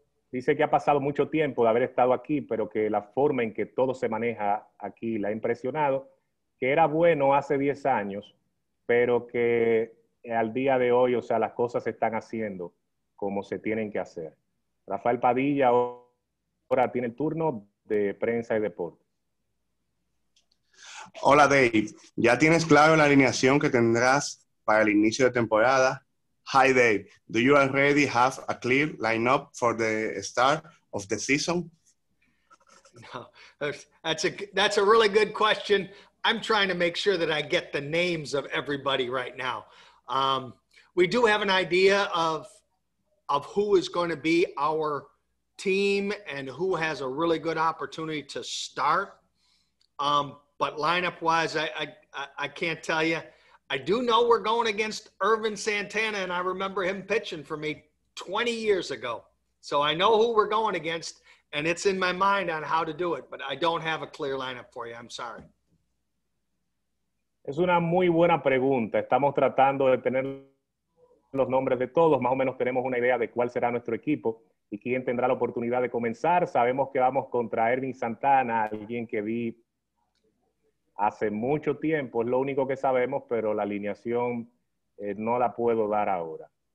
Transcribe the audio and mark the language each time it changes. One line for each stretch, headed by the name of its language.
Spanish: Dice que ha pasado mucho tiempo de haber estado aquí, pero que la forma en que todo se maneja aquí la ha impresionado, que era bueno hace 10 años, pero que al día de hoy, o sea, las cosas se están haciendo como se tienen que hacer. Rafael Padilla ahora tiene el turno de prensa y deporte. Hola, Dave. ¿Ya tienes claro la alineación que tendrás para el inicio de temporada?
English: Hi, Dave. Do you already have a clear lineup for the start of the season? No, that's a really good question. I'm trying to make sure that I get the names of everybody right now. We do have an idea of who is going to be our team and who has a really good opportunity to start. But lineup-wise, I can't tell you. I do know we're going against Irvin Santana, and I remember him pitching for me 20 years ago. So I know who we're going against, and it's in my mind on how to do it. But I don't have a clear lineup for you. I'm sorry.
Spanish: Es una muy buena pregunta. Estamos tratando de tener los nombres de todos. Más o menos tenemos una idea de cuál será nuestro equipo y quién tendrá la oportunidad de comenzar. Sabemos que vamos contra Irvin Santana, alguien que vi hace mucho tiempo, es lo único que sabemos, pero la alineación no la puedo dar ahora.